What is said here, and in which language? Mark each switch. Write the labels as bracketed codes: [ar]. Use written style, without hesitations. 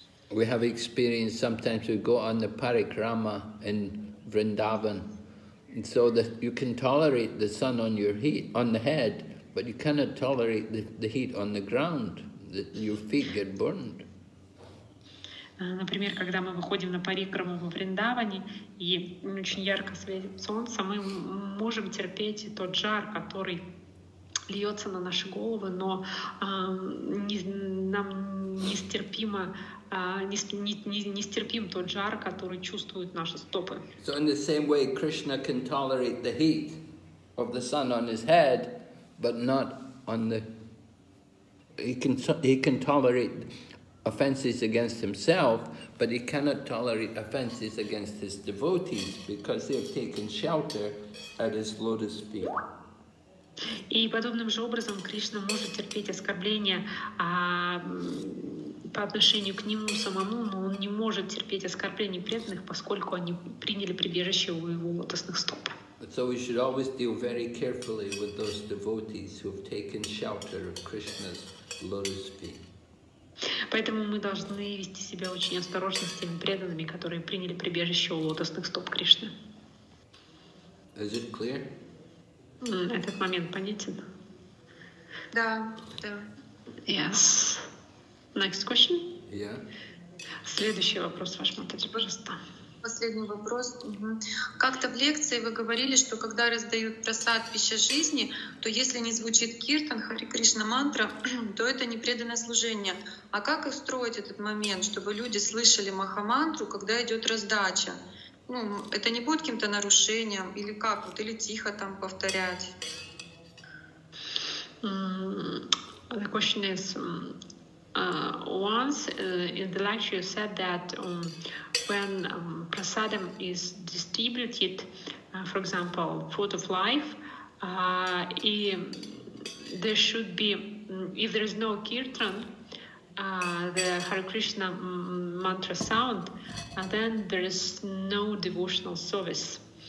[en] We have experienced sometimes we go on the parikrama in Vrindavan, and so that you can tolerate the sun on your heat on the head, but you cannot tolerate the heat on the ground. That your feet get burned. [ru] Например, когда мы выходим на парикраму во Вриндаване и очень ярко светит солнце, мы можем терпеть тот жар, который льется на наши головы, но нам нестерпим тот жар, который чувствуют наши стопы. [en] So in the same way, Krishna can tolerate the heat of the sun on his head, but not on the he can tolerate offenses against himself, but he cannot tolerate offenses against his devotees because they have taken shelter at his lotus feet. [ru] И подобным же образом Кришна может терпеть оскорбления по отношению к нему самому, но он не может терпеть оскорблений преданных, поскольку они приняли прибежище у его лотосных стоп. [en] So we should always deal very carefully with those devotees who have taken shelter of Krishna's lotus feet. [ru] Поэтому мы должны вести себя очень осторожно с теми преданными, которые приняли прибежище у лотосных стоп Кришны. [en] Is it clear? [ru] Этот момент понятен? Да, да. [en] Yes. Next question? Yeah. [ru] Следующий вопрос, ваш Матаджи, пожалуйста. Последний вопрос. Как-то в лекции вы говорили, что когда раздают прасад, пища жизни, то если не звучит киртан, Хари Кришна мантра, то это непреданное служение. А как устроить этот момент, чтобы люди слышали махамантру, когда идет раздача? Ну, это не будет каким-то нарушением? Или как? Вот, или тихо там повторять? [en] The question is, once in the lecture you said that when prasadam is distributed, for example, food of life, there should be, if there is no kirtan, the Hare Krishna mantra sound, and then there is no devotional service.